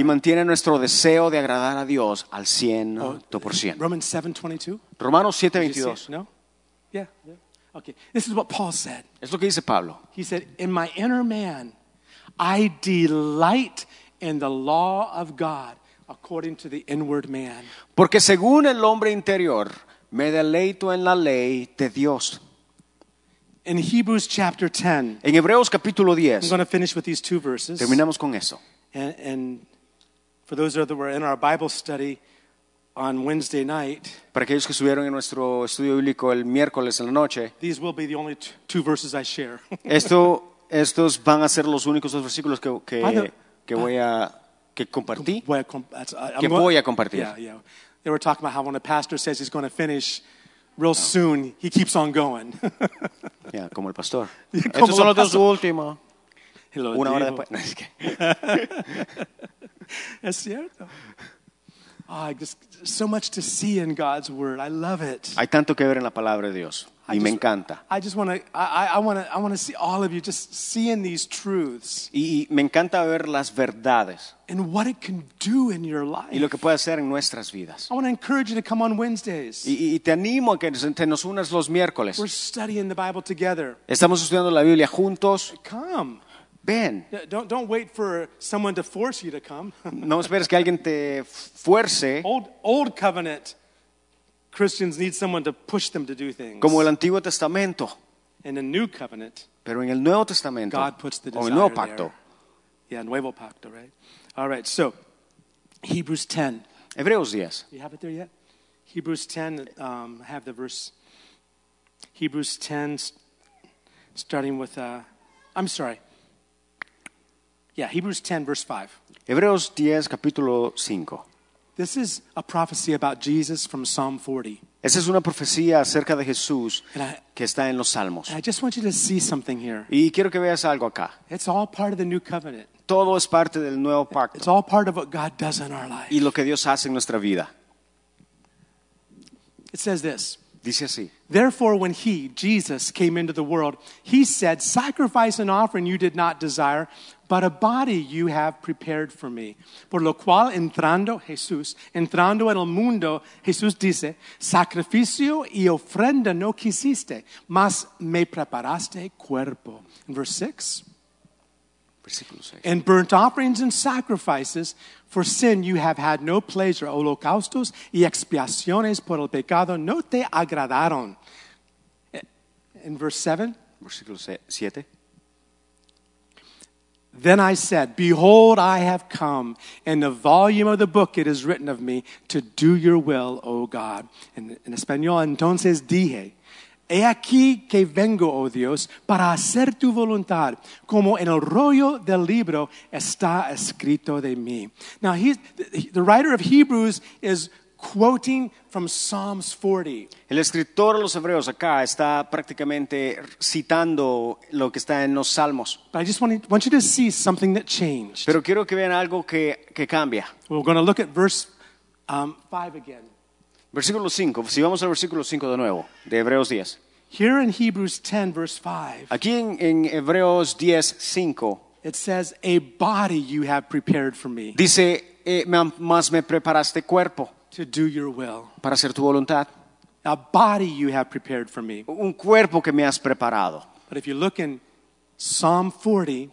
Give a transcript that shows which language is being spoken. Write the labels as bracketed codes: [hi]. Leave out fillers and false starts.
[es] Y mantiene nuestro deseo de agradar a Dios al 100%. [en] Romans 7:22. [es] Romanos 7:22. [en] No. Yeah. Okay. This is what Paul said. [es] Es lo que dice Pablo. [en] He said, "In my inner man, I delight in the law of God according to the inward man." [es] Porque según el hombre interior, me deleito en la ley de Dios. [en] In Hebrews chapter 10. [es] En Hebreos capítulo 10. [en] I'm going to finish with these two verses. [es] Terminamos con eso. [en] And for those that were in our Bible study on Wednesday night, [es] para aquellos que estuvieron en nuestro estudio bíblico el miércoles en la noche, [en] these will be the only two verses I share. [es] estos van a ser los únicos dos versículos que voy a compartir. [en] Yeah. They were talking about how when a pastor says he's going to finish real soon, he keeps on going. [es] Yeah, como el pastor. Estos son los dos últimos. [en] Hello, [es] una Diego. Hora después. No, es que. Es cierto. [en] Oh, I just so much to see in God's word. I love it. [es] Hay tanto que ver en la palabra de Dios, y me encanta. [en] I want to see all of you just seeing these truths. [es] Y me encanta ver las verdades. [en] And what it can do in your life. [es] Y lo que puede hacer en nuestras vidas. [en] I want to encourage you to come on Wednesdays. [es] Y te animo a que nos unas los miércoles. [en] We're studying the Bible together. [es] Estamos estudiando la Biblia juntos. [en] Come. [es] Ben. [en] Don't wait for someone to force you to come. [es] No esperes que alguien te fuerce. [en] Old covenant Christians need someone to push them to do things. [es] Como el Antiguo Testamento. [en] In the New Covenant. [es] Pero en el Nuevo Testamento. [en] God puts the desire [es] o el Nuevo Pacto. [en] There. Yeah, [es] Nuevo Pacto, [en] right? All right, so Hebrews 10. [es] Hebreos 10. [en] You have it there yet? Hebrews 10, I have the verse. Hebrews 10, starting with, I'm sorry. Yeah, Hebrews 10, verse 5. [es] Hebreos 10, capítulo 5. [en] This is a prophecy about Jesus from Psalm 40. [es] Esa es una profecía acerca de Jesús que está en los Salmos. [en] And I just want you to see something here. [es] Y quiero que veas algo acá. [en] It's all part of the new covenant. [es] Todo es parte del nuevo pacto. [en] It's all part of what God does in our life. [es] Y lo que Dios hace en nuestra vida. [en] It says this. [es] Dice así. [en] Therefore, when he, Jesus, came into the world, he said, "Sacrifice and offering you did not desire, but a body you have prepared for me. [es] Por lo cual, entrando en el mundo, Jesús dice, sacrificio y ofrenda no quisiste, mas me preparaste cuerpo." Versículo 6. [en] "And burnt offerings and sacrifices for sin you have had no pleasure. [es] Holocaustos y expiaciones por el pecado no te agradaron." [en] In verse 7. [es] Versículo 7. [en] "Then I said, behold, I have come. In the volume of the book it is written of me to do your will, O God." In Espanol, [es] entonces dije, "He aquí que vengo, oh Dios, para hacer tu voluntad, como en el rollo del libro está escrito de mí." [en] Now, the writer of Hebrews is quoting from Psalms 40. [es] El escritor de los Hebreos acá está prácticamente citando lo que está en los Salmos. [en] But I just want you to see something that changed. [es] Pero quiero que vean algo que cambia. [en] We're going to look at verse 5 again. [es] Versículo 5, si vamos al versículo 5 de nuevo, de Hebreos 10. [en] Here in Hebrews 10, verse 5. [es] Aquí en Hebreos 10, 5. [en] It says, "A body you have prepared for me." [es] Dice, mas me preparaste cuerpo. [en] To do your will. [es] Para hacer tu voluntad. [en] "A body you have prepared for me." [es] Un cuerpo que me has preparado. [en] But if you look in Psalm 40.